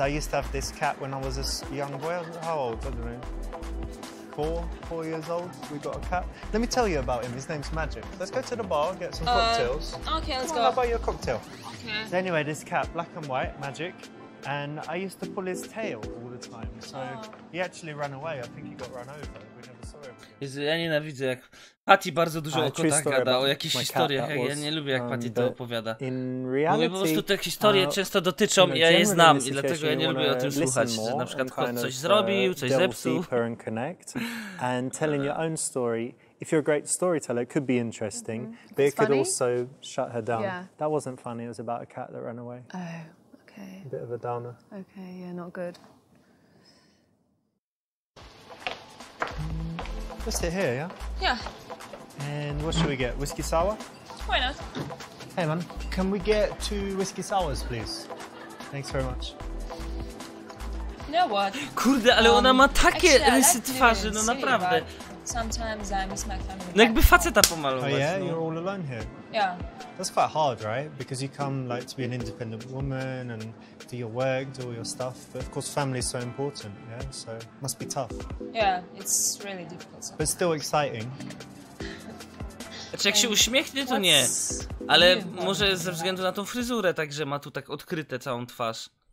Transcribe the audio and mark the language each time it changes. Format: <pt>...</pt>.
<en>I used to have this cat when I was a young boy. How old? I don't know. Four years old. We got a cat. Let me tell you about him. His name's Magic. Let's go to the bar, get some cocktails. Okay, let's go. I'll buy you a cocktail. Okay. So anyway, this cat, black and white, Magic. And I used to pull his tail all the time, so he actually ran away. I think he got run over. We never saw him again.</en> <pl>Jezu, ja nienawidzę, jak Patty bardzo dużo o kotach gada, o jakichś historiach. Ja nie lubię, jak Patty to opowiada. Bo po prostu te historie często dotyczą, i ja je znam, i dlatego ja nie lubię o tym słuchać. Że na przykład kot coś zrobił, coś zepsuł.</pl> <en>And connect. And telling your own story, if you're a great storyteller, it could be interesting, but it could also shut her down. Yeah. That wasn't funny, it was about a cat that ran away. Oh. Okay. A bit of a downer. Okay, yeah, not good. Let's sit here, yeah? Yeah. And what should we get? Whiskey sour? Why not? Hey, man, can we get 2 whiskey sours, please? Thanks very much. You know what?</en> <pl>Kurde, ale ona ma takie rysy twarzy, no naprawdę.</pl> <en>Sometimes I miss my family.</en> <pl>No jakby faceta pomalować.</pl> <en>Oh yeah, no. You're all alone here? Yeah. That's quite hard, right? Because you come like to be an independent woman and do your work, do all your stuff. But of course family is so important, yeah? So it must be tough. Yeah, it's really difficult sometimes. But still exciting.</en> <pl>Znaczy jak się uśmiechnie, to nie. Ale może ze względu na tą fryzurę, także ma tu tak odkryte całą twarz.</pl>